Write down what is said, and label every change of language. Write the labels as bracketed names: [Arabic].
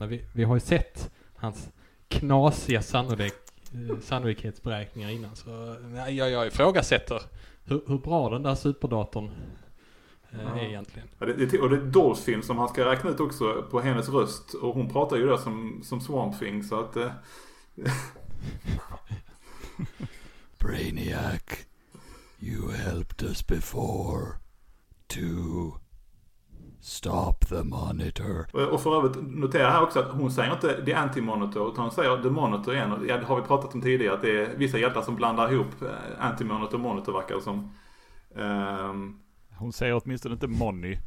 [Swedish] Men vi har ju sett hans knasiga sannolikhetsberäkningar innan. Så jag ifrågasätter hur bra den där superdatorn ja, och det är Dolphin som han ska räkna ut också på hennes röst. Och hon pratar ju där som Swamp Thing. Så att [English] Brainiac, you helped us before to stop the monitor. [Swedish] Och för övrigt notera här också att hon säger inte the anti-monitor, utan hon säger the monitor igen. Och det har vi pratat om tidigare, att det är vissa hjältar som blandar ihop anti-monitor och monitor, verkar som. Hon säger åtminstone inte money.